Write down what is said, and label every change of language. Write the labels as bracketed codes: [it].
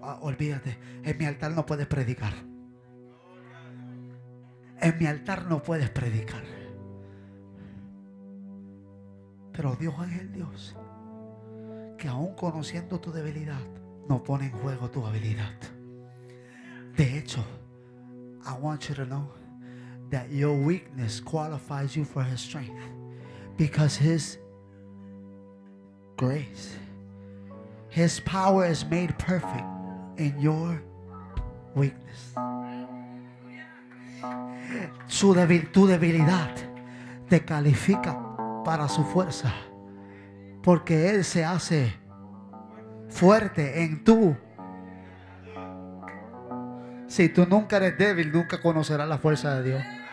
[es] Ah, olvídate, en mi altar no puedes predicar. En mi altar no puedes predicar. Pero Dios es el Dios que, aún conociendo tu debilidad, no pone en juego tu habilidad. De hecho, [en] I want you to know that your weakness qualifies you for His strength, because His grace, His power is made perfect in your weakness. [es] Tu debilidad te califica para su fuerza, porque Él se hace fuerte en tú. Si tú nunca eres débil, nunca conocerás la fuerza de Dios.